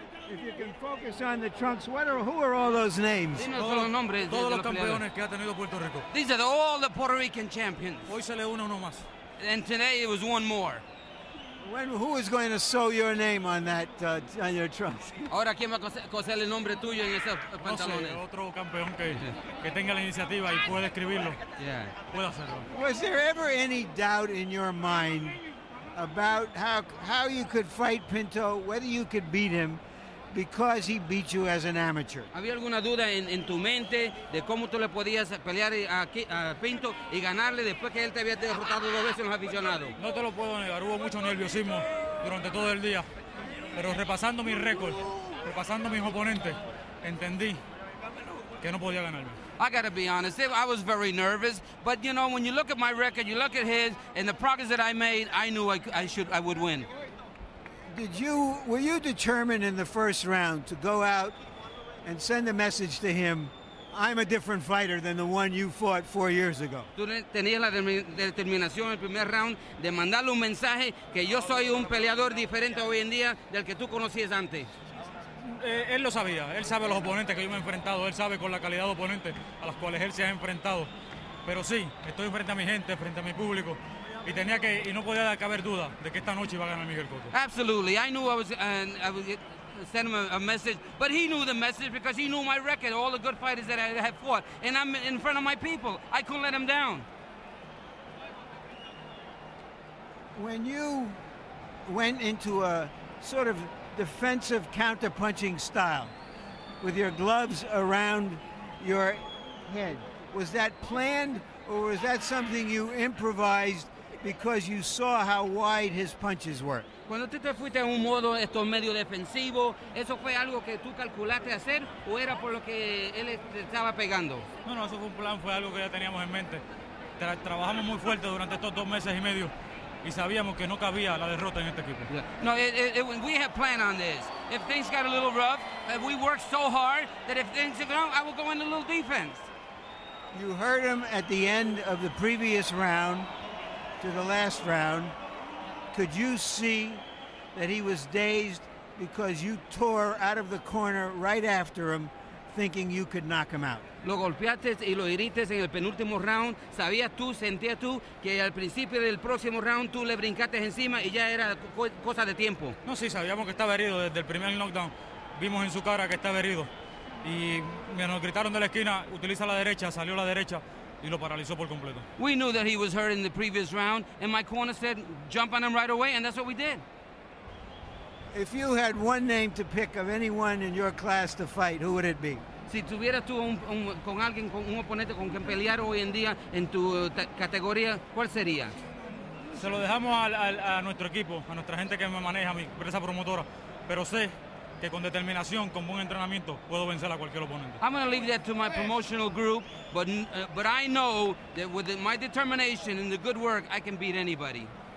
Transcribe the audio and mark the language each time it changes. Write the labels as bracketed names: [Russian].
[English] If you can focus on the trunks, who are all those names? These are all the Puerto Rican champions. And today it was one more. Who is going to sew your name on that on your trunks? [Spanish] Ahora quién va a coser el nombre tuyo en ese pantalón? Otro campeón que tenga la iniciativa y pueda escribirlo. [English] Yeah. [Spanish] Puedo hacerlo. [English] Was there ever any doubt in your mind about how you could fight Pinto, whether you could beat him because he beat you as an amateur? [Spanish] ¿Había alguna duda en tu mente de cómo tú le podías pelear a Pinto y ganarle después que él te había derrotado dos veces en los aficionados? No te lo puedo negar, hubo mucho nerviosismo durante todo el día. Pero repasando mi récord, repasando mis oponentes, entendí que no podía ganarme. [English] I gotta be honest, I was very nervous, but you know, when you look at my record, you look at his, and the progress that I made, I knew I would win. Were you determined in the first round to go out and send a message to him, I'm a different fighter than the one you fought 4 years ago? [Spanish] ¿Tú tenías la determinación en el primer round de mandarle un mensaje que yo soy un peleador diferente hoy en día del que tú conocías antes? Él lo sabía. Él sabe los oponentes que yo me he enfrentado. Él sabe con la calidad de oponentes a los cuales él se ha enfrentado. Pero sí, estoy frente a mi gente, frente a mi público. Y tenía que, y no podía caber duda de que esta noche iba a ganar Miguel Cotto. [English] Absolutely. I knew I would send him a message. But he knew the message because he knew my record, all the good fighters that I had fought. And I'm in front of my people. I couldn't let him down. When you went into a sort of defensive counter-punching style with your gloves around your head, was that planned or was that something you improvised because you saw how wide his punches were? [Spanish] Cuando tú te fuiste en un modo esto medio defensivo, ¿eso fue algo que tú calculaste hacer o era por lo que él estaba pegando? No, eso fue un plan, fue algo que ya teníamos en mente. Trabajamos muy fuerte durante estos dos meses y medio y sabíamos que no cabía la derrota en este equipo. [English] Yeah. No, we had plan on this. If things got a little rough, we worked so hard that if things are wrong, I would go in a little defense. You heard him at the end of the previous round to the last round. Could you see that he was dazed because you tore out of the corner right after him thinking you could knock him out? [Spanish] Lo golpeaste y lo heriste en el penúltimo round. Sabías tú, sentías tú que al principio del próximo round tú le brincaste encima y ya era cosa de tiempo. No, sí, sabíamos que estaba herido desde el primer knockdown. Vimos en su cara que estaba herido. Y nos gritaron de la esquina, utiliza la derecha, salió la derecha. Y lo paralizó por completo. [English] We knew that he was hurt in the previous round, and my corner said, jump on him right away, and that's what we did. If you had one name to pick of anyone in your class to fight, who would it be? [Spanish] Si tuvieras tú con alguien, con un oponente con quien pelear hoy en día en tu categoría, ¿cuál sería? Se lo dejamos a nuestro equipo, a nuestra gente que me maneja, mi empresa promotora, pero sé que con determinación, con buen entrenamiento, puedo vencer a cualquier oponente. [English] I'm going to leave that to my promotional group, but I know that with my determination and the good work, I can beat anybody.